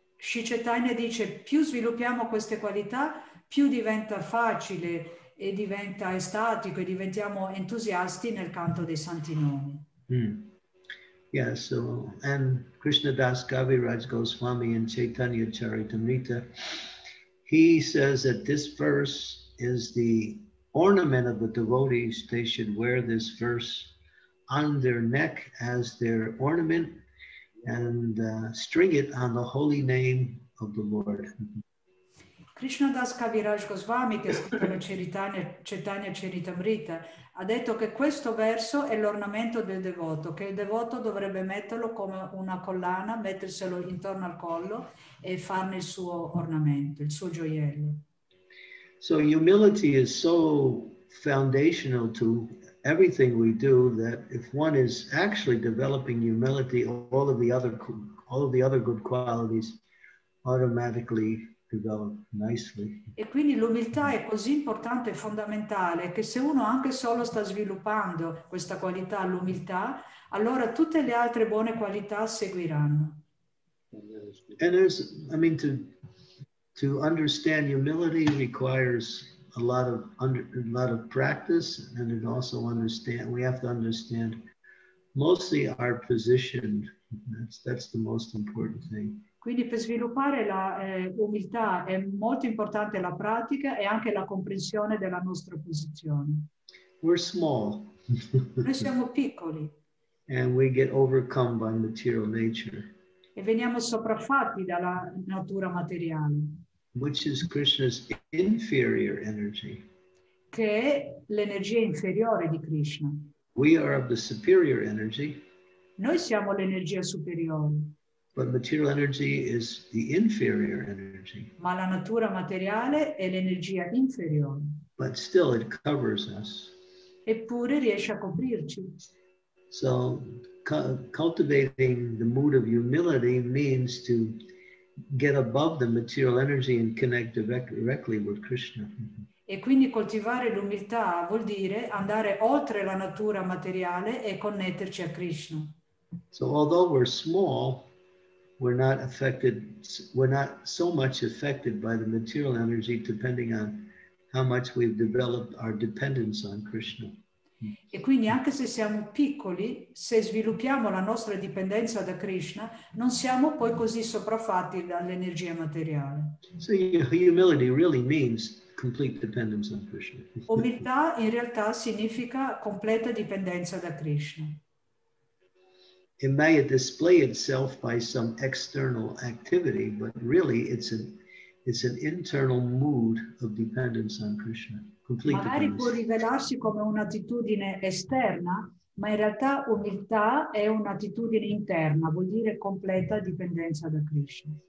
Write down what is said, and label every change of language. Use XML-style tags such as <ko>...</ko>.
<it>Sri Chaitanya dice, più sviluppiamo queste qualità, più diventa facile e diventa estatico e diventiamo entusiasti nel canto dei santi nomi. Mm.</it> <en>Yeah, so, and Krishna Das Kaviraj Goswami in Chaitanya Charitamrita, he says that this verse is the ornament of the devotees. They should wear this verse on their neck as their ornament and string it on the holy name of the Lord.</en> <it>Krishna Das Kaviraj Goswami, che ha scritto la Chaitanya Charitamrita, ha detto che questo verso è l'ornamento del devoto, che il devoto dovrebbe metterlo come una collana, metterselo intorno al collo e farne il suo ornamento, il suo gioiello.</it> <en>So humility is so foundational to everything we do that if one is actually developing humility, all of the other good qualities automatically nicely.</en> <it>E quindi l'umiltà è così importante e fondamentale che se uno anche solo sta sviluppando questa qualità, l'umiltà, allora tutte le altre buone qualità seguiranno.</it> <en>And to understand humility requires a lot of practice, and it also we have to understand mostly our position. That's the most important thing.</en> <it>Quindi per sviluppare la umiltà è molto importante la pratica e anche la comprensione della nostra posizione.</it> <en>We're small.</en> <it>Noi siamo piccoli.</it> <en>And we get overcome by material nature.</en> <it>E veniamo sopraffatti dalla natura materiale.</it> <en>Which is Krishna's inferior energy.</en> <it>Che è l'energia inferiore di Krishna.</it> <en>We are of the superior energy.</en> <it>Noi siamo l'energia superiore.</it> <en>But material energy is the inferior energy.</en> <it>Ma la natura materiale è l'energia inferiore.</it> <en>But still it covers us.</en> <it>Eppure riesce a coprirci.</it> <en>So cultivating the mood of humility means to get above the material energy and connect directly with Krishna.</en> <it>E quindi coltivare l'umiltà vuol dire andare oltre la natura materiale e connetterci a Krishna.</it> <en>So although we're small, we're not affected, we're not so much affected by the material energy depending on how much we've developed our dependence on Krishna.</en> <it>E quindi anche se siamo piccoli, se sviluppiamo la nostra dipendenza da Krishna, non siamo poi così sopraffatti dall'energia materiale.</it> <en>So humility really means complete dependence on Krishna.</en> <it>Umiltà in realtà significa completa dipendenza da Krishna.</it> <en>It may display itself by some external activity, but really it's an internal mood of dependence on Krishna.</en> <it>Complete magari può rivelarsi come un'attitudine esterna, ma in realtà umiltà è un'attitudine interna, vuol dire completa dipendenza da Krishna.</it>